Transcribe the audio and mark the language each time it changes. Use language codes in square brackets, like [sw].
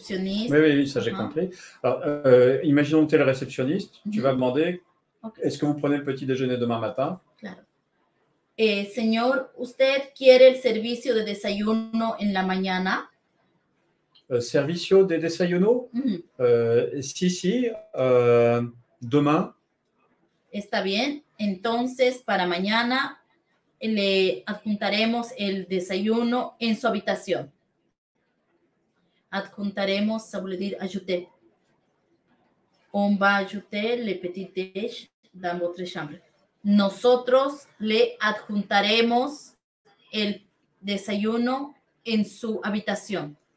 [fr] Les réceptionnistes, j'ai compris. Alors, imaginons que tu es le réceptionniste, tu vas demander okay. Est-ce que vous prenez le petit déjeuner demain matin? [es] Claro. Señor, ¿usted quiere el servicio de desayuno en la mañana? Servicio de desayuno? [fr] Demain. [es] Está bien, entonces para mañana le adjuntaremos el desayuno en su habitación. [fr] Adjuntaremos, ça veut dire ajouter. On va ajouter le petit déj dans votre chambre. [es] Nosotros le adjuntaremos el desayuno en su habitación.